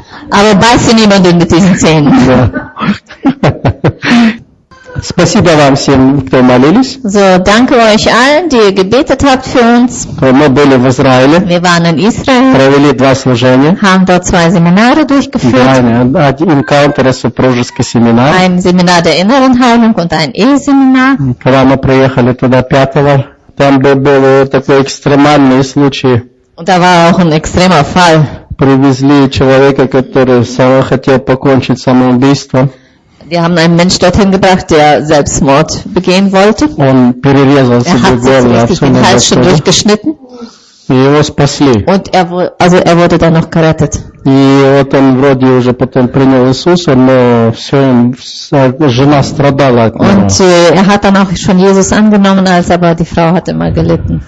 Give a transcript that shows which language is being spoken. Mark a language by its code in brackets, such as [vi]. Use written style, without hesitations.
[de] Aber beiße niemanden mit diesen Zähnen. [ru] Спасибо вам всем, кто молились. [de] So, danke euch allen, die ihr gebetet habt für uns. [ru] Мы были в Израиле. [de] Wir waren in Israel. [ru] Провели два служения. [de] Haben dort zwei Seminare durchgeführt. [ru] Encounter, супружеский семинар. [de] Ein Seminar der inneren Heilung und ein E-Seminar. [ru] Когда мы приехали туда 5-го, там был такой экстремальный случай. [de] Da war auch ein extremer Fall. [ru] Привезли человека, который сам хотел покончить самоубийством. [de] Wir haben einen Mensch dorthin gebracht, der Selbstmord begehen wollte. Und er hat sich richtig den Hals schon durchgeschnitten. Und er wurde dann noch gerettet. Und er hat dann auch schon Jesus angenommen, als aber die Frau hat immer gelitten.